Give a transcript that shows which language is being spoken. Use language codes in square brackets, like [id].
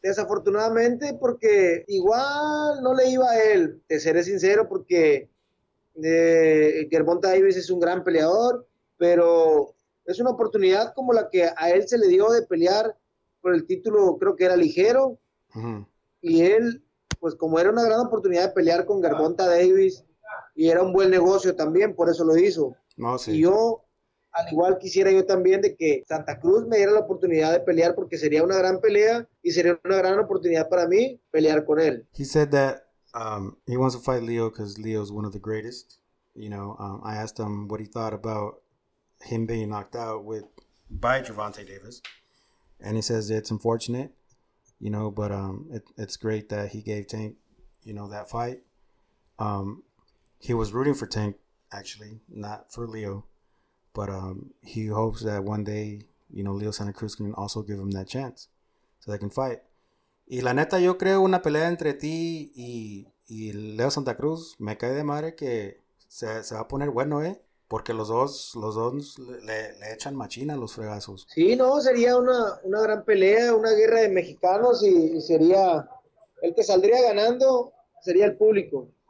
[es] desafortunadamente, porque igual no le iba a él, te seré sincero, porque Gervonta Davis es un gran peleador, pero es una oportunidad como la que a él se le dio de pelear por el título, creo que era ligero, y él, pues como era una gran oportunidad de pelear con Gervonta Davis, y era un buen negocio también, por eso lo hizo. No Y sé. yo, al igual quisiera yo también de que Santa Cruz me diera la oportunidad de pelear, porque sería una gran pelea y sería una gran oportunidad para mí pelear con él. [en] He said that he wants to fight Leo because Leo's one of the greatest. You know, I asked him what he thought about him being knocked out by Gervonta Davis, and he says it's unfortunate. You know, but it's great that he gave Tank, you know, that fight. He was rooting for Tank, actually, not for Leo, but he hopes that one day, you know, Leo Santa Cruz can also give him that chance so they can fight. [es] Y la neta, yo creo una pelea entre ti y Leo Santa Cruz, me cae de madre que se va a poner bueno, ¿eh? Porque los dos le echan machina a los fregazos. Sí, no, sería una gran pelea, una guerra de mexicanos y sería el que saldría ganando, sería el público.